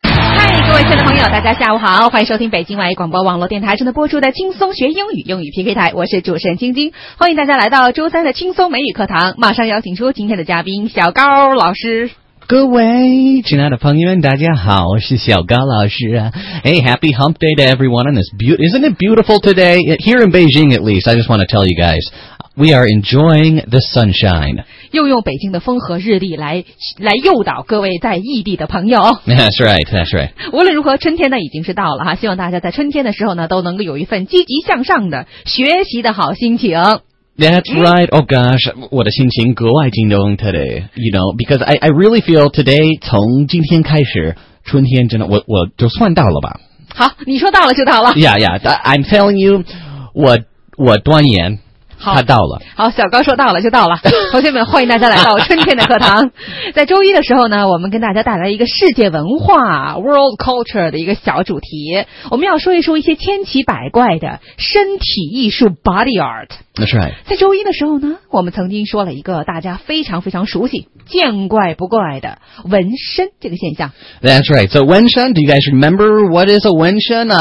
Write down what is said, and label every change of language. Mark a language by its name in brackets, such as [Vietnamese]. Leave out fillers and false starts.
[Chinese] 听众朋友，大家下午好，欢迎收听北京外语广播网络电台正在播出的轻松学英语，英语 PK 台，我是主持人晶晶，欢迎大家来到周三的轻松美语课堂，马上邀请出今天的嘉宾小高老师。各位亲爱的朋友们，大家好，我是小高老师。 [English] Hey, happy hump day to everyone on this isn't it beautiful today? Here in Beijing at least, I just want to tell you guys,We are enjoying the sunshine. [Chinese] 又用北京的风和日丽来诱导各位在异地的朋友。 [English] That's right, that's right. [Chinese] 无论如何，春天呢已经是到了哈，希望大家在春天的时候呢都能够有一份积极向上的学习的好心情。 [English] That's right. Oh gosh, [Chinese] 我的心情格外激动 [English] today. You know, because I really feel today, [Chinese] 从今天开始，春天真的我就算到了吧。好，你说到了就到了。 [English] Yeah, yeah. I'm telling you, [Chinese] 我端言。好，他到了。好，小高说到了就到了。同学们，欢迎大家来到春天的课堂。在周一的时候呢，我们跟大家带来一个世界文化 World Culture 的一个小主题，我们要说一说一些千奇百怪的身体艺术 Body Art。 [English] That's right。 [Chinese] 在周一的时候呢，我们曾经说了一个大家非常非常熟悉、见怪不怪的纹身这个现象。 [English] That's right. So 纹身 ，Do you guys remember what is a 纹身？